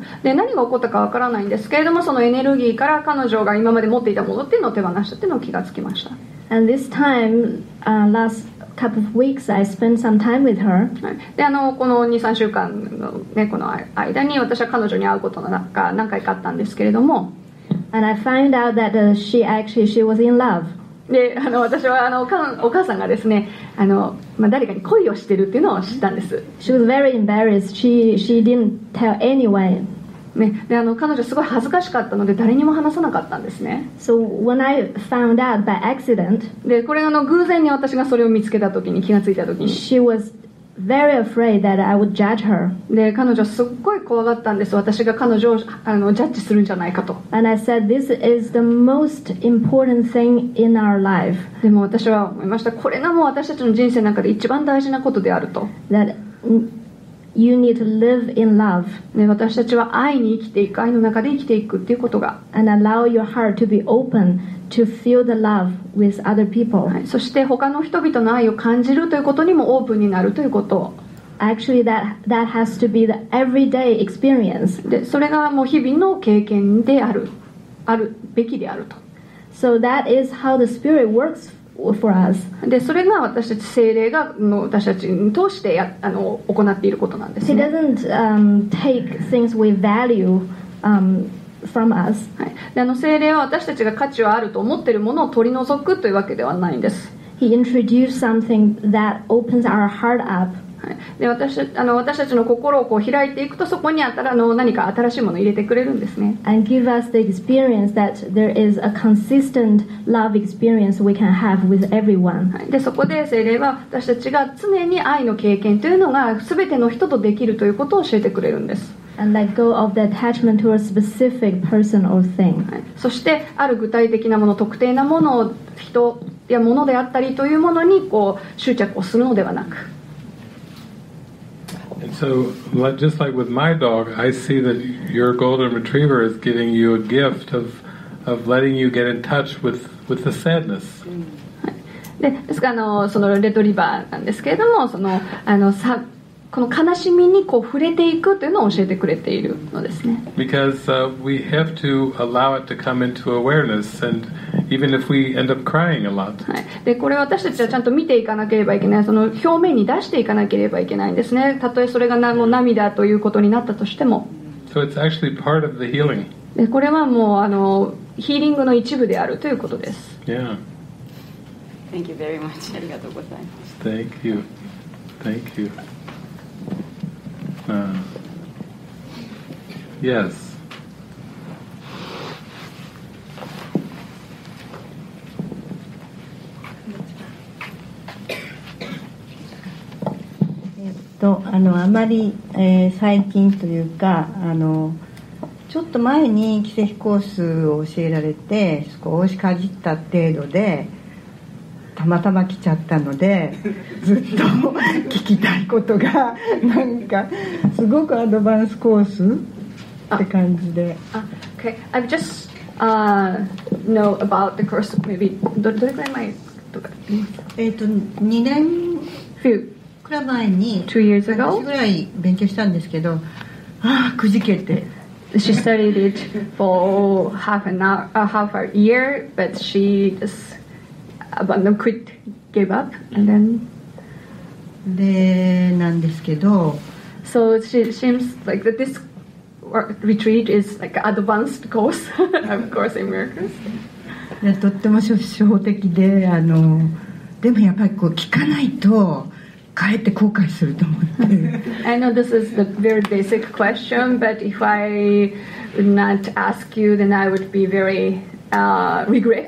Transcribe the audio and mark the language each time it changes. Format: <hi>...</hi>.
<ja>で何が起こったかわからないんですけれども、そのエネルギーから彼女が今まで持っていたものっていうのを手放したっていうのを気がつきました。</ja> <en>And this time, last couple of weeks, I spent some time with her.</en> <ja>で、あのこの 2-3 週間のねこの間に私は彼女に会うことが何回かあったんですけれども、</ja> <en>And I found out that she was in love.</en> <ja>であの私はあのお母さんがですねあの、まあ、誰かに恋をしてるっていうのを知ったんです。</ja> <en>She was very embarrassed. She didn't tell anyone.</en> <ja>ね、であの彼女すごい恥ずかしかったので誰にも話さなかったんですね。</ja> <en>So when I found out by accident,</en> <ja>でこれあの偶然に私がそれを見つけた時に気がついた時に、</ja> <en>She was very afraid that I would judge her.</en> <ja>で彼女すっごい怖がったんです。私が彼女をあのジャッジするんじゃないかと。</ja> <en>And I said, this is the most important thing in our life.</en> <ja>でも私は思いました。これがもう私たちの人生の中で一番大事なことであると。</ja> <en>That you need to live in love.</en> <ja>で私たちは愛に生きていく、愛の中で生きていくっていうことが。</ja> <en>And allow your heart to be open. To feel the love with other people.</en> <ja>はい、そして他の人々の愛を感じるということにもオープンになるということ。</ja> <en>Actually, that has to be the everyday experience.</en> <ja>で、それがもう日々の経験である、あるべきであると。</ja> <en>So that is how the Spirit works for us.</en> <ja>で、それが私たち聖霊が私たちに通してやあの行っていることなんですね。</ja> <en>He doesn't take things we value. From us.</en> <ja>はい、であの聖霊は私たちが価値はあると思っているものを取り除くというわけではないんです。</ja> <en>He introduced something that opens our heart up.</en> <ja>はい、で私たちの心をこう開いていくとそこにあたらの何か新しいものを入れてくれるんですね。</ja> <en>And give us the experience that there is a consistent love experience we can have with everyone.</en> <ja>はい、でそこで聖霊は私たちが常に愛の経験というのが全ての人とできるということを教えてくれるんです。</ja> <en>And let go of the attachment to a specific person or thing.</en> <ja>はい、そしてある具体的なもの、特定なものを人やものであったりというものにこう執着をするのではなく。</ja> <en>So, just like with my dog, I see that your golden retriever is giving you a gift of letting you get in touch with the sadness.</en> <ja>はい、で、ですからあのそのレッドリバーなんですけれども、その、あのさこの悲しみにこう触れていくというのを教えてくれているのですね。</ja> <en>Because we have to allow it to come into awareness, and even if we end up crying a lot.</en> <ja>はい。で、これ私たちはちゃんと見ていかなければいけない。その表面に出していかなければいけないんですね。たとえそれが涙ということになったとしても。</ja> <en>So it's actually part of the healing.</en> <ja>で、これはもうあのヒーリングの一部であるということです。</ja> <en>Yeah. Thank you very much.</en> <ja>ありがとうございます。</ja> <en>Thank you. Thank you. Yes. Thank you.</en> <ja>あまり、最近というかちょっと前に奇跡コースを教えられて少しかじった程度でたまたま来ちゃったのでずっと聞きたいことがなんかすごくアドバンスコースって感じで。</ja> <en>Okay. I just know about the course of maybe</en> <ja>どれくらい前とか。 2年くらい前に</ja> <en>2 years ago</en> <ja>私ぐらい勉強したんですけど、ああくじけて。</ja> <en>She studied it for half an hour, half a year, but she just abandoned, quit, gave up, and then.</en> <ja>で、なんですけど。</ja> <en>So she seems like that this retreat is like an advanced course, of course, in America.</en> <ja>で、とっても初歩的で、でもやっぱりこう聞かないと。帰って後悔すると思って。</ja> <en>I know this is the very basic question, but if I would not ask you, then I would be very regret.</en>